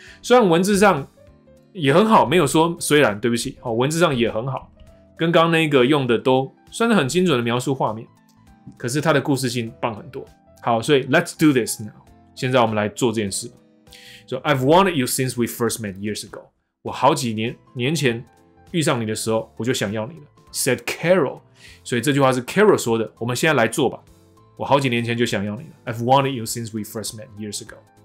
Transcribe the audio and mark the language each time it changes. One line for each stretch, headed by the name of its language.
Chinese: 虽然文字上也很好，没有说虽然，对不起，文字上也很好，跟刚那个用的都算是很精准的描述画面，可是它的故事性棒很多。好，所以
English: let's do this now.
Chinese: 现在我们来做这件事。
English: So, I've wanted you since we first met years ago.
Chinese: 我好几年前遇上你的时候，我就想要你了。
English: Said Carol.
Chinese: 所以这句话是 Carol 说的，我们现在来做吧。我好几年前就想要你了。
English: I've wanted you since we first met years ago.